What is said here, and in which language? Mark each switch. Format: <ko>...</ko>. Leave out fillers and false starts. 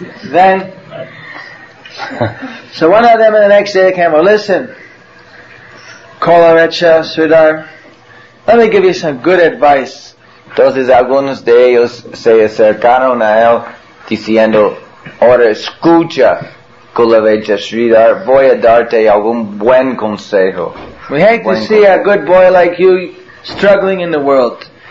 <en>Then, so one of them in the next day came, well, listen, Kolaracharya Sridhar, let me give you some good advice.</en> <es>Entonces algunos de ellos se acercaron a él diciendo, ahora escucha, Kolaracharya Sridhar, voy a darte algún buen consejo.</es> <en>We hate to see a good boy like you struggling in the world.</en>